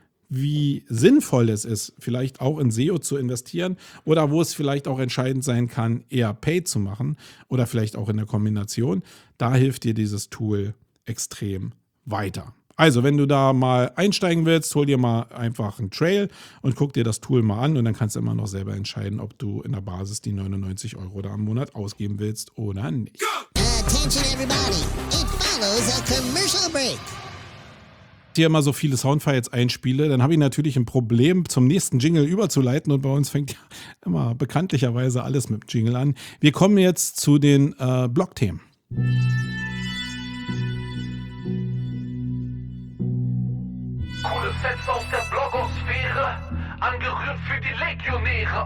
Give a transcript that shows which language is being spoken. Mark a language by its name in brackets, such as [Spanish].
[German] wie sinnvoll es ist, vielleicht auch in SEO zu investieren oder wo es vielleicht auch entscheidend sein kann, eher Paid zu machen oder vielleicht auch in der Kombination, da hilft dir dieses Tool extrem weiter. Also, wenn du da mal einsteigen willst, hol dir mal einfach einen Trail und guck dir das Tool mal an und dann kannst du immer noch selber entscheiden, ob du in der Basis die 99 Euro da am Monat ausgeben willst oder nicht. [English] Attention everybody, it follows a commercial break. [German] Hier immer so viele Soundfiles einspiele, dann habe ich natürlich ein Problem, zum nächsten Jingle überzuleiten und bei uns fängt ja immer bekanntlicherweise alles mit Jingle an. Wir kommen jetzt zu den Blog-Themen. Coole Sets aus der Blogosphäre, angerührt für die Legionäre.